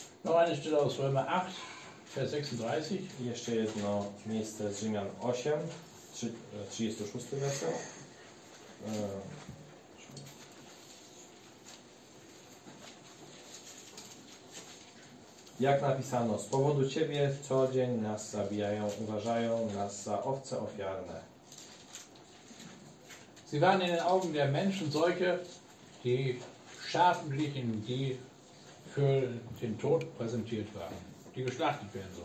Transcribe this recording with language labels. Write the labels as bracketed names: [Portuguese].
[German] No eine Stelle aus Römer 8, Vers 36. [Polish] I jeszcze jedno miejsce z Rzymian 8, 36 werset. Jak napisano, z powodu Ciebie co dzień nas zabijają, uważają nas za owce ofiarne. [German] Sie waren in den Augen der Menschen solche, die Schafe glichen, die für den Tod präsentiert waren, die geschlachtet werden sollen.